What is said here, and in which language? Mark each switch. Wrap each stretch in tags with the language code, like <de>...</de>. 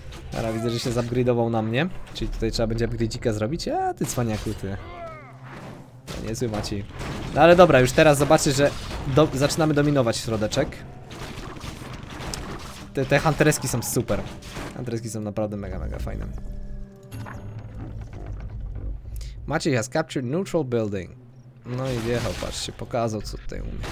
<pl>Teraz widzę, że się zupgrade'ował na mnie. Czyli tutaj trzeba będzie upgrade'ika zrobić. A ty cwaniaku, ty. No, niezły Maciej. No ale dobra, już teraz zobaczy, że zaczynamy dominować środeczek. Te hunterski są super. Hunterski są naprawdę mega fajne.</pl> <en>Maciej has captured neutral building.</en> <pl>No i wjechał, patrzcie, pokazał co tutaj umie.</pl>